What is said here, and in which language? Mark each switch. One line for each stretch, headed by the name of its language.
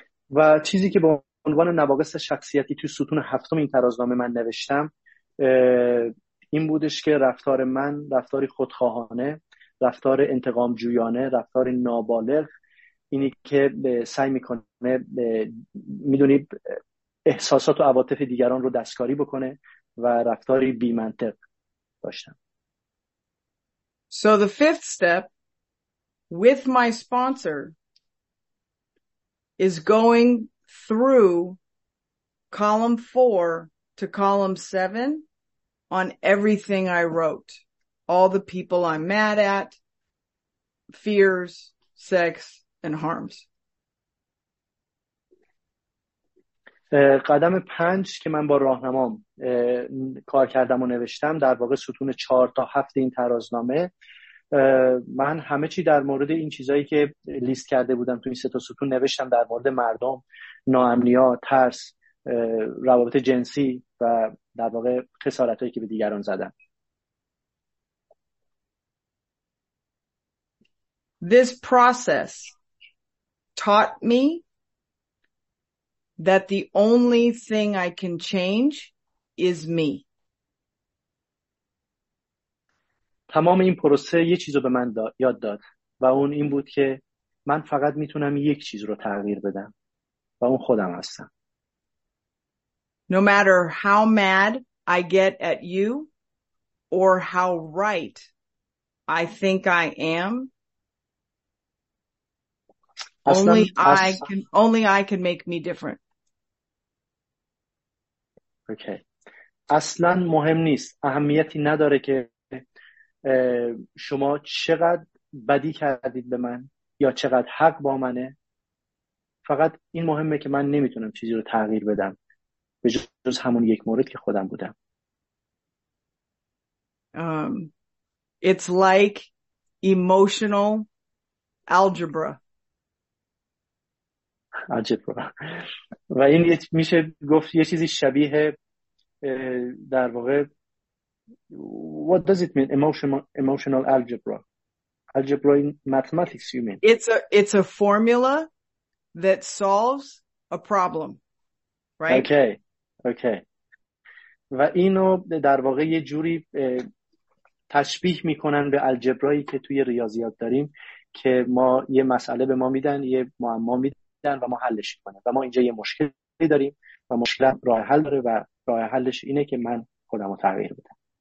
Persian: و چیزی که به عنوان نواقص شخصیتی تو ستون هفتم این ترازنامه من نوشتم این بودش که رفتار من رفتاری خودخواهانه، رفتار انتقام جویانه، رفتار نابالغ، اینی که سعی میکنه میدونی احساسات و عواطف دیگران رو دستکاری بکنه و رفتاری بیمنطق داشتم.
English: So the fifth step with my sponsor is going through column 4 to column 7 on everything I wrote. All the people I'm mad at, fears, sex, and harms.
Persian: قدم 5 که من با راهنمام کار کردم و نوشتم در واقع ستون 4 تا 7 این ترازنامه من همه چی در مورد این چیزایی که لیست کرده بودم تو این سه تا ستون نوشتم در مورد مردم ناامنیا ترس روابط جنسی و در واقع خسارتایی که به دیگران زدم.
English: This process taught me that the only thing I can change is me.
Persian: تمام این پروسه یه چیز رو به من یاد داد و اون این بود که من فقط میتونم یک چیز رو تغییر بدم و اون خودم هستم.
English: No matter how mad I get at you or how right I think I am, only I can make me different.
Persian: Okay. اصلاً مهم نیست. اهمیتی نداره که شما چقدر بدی کردید به من یا چقدر حق با منه، فقط این مهمه که من نمیتونم چیزی رو تغییر بدم به جز همون یک مورد که خودم بودم.
English: It's like emotional algebra. Algebra.
Persian: و این میشه گفت یه چیزی شبیه در واقع
English: What does it mean? Emotional algebra. Algebra in mathematics, you mean? It's a formula that solves a problem, right? Okay.
Persian: و اینو در واقع یه جوری تشبیه میکنن به الجبرایی که توی ریاضیات داریم که ما یه مسئله به ما میدن، یه معما میدن و ما حلش میکنن. و ما اینجا یه مشکلی داریم و مشکل راه حل داره و راه حلش اینه که من خودم رو تغییر بدم.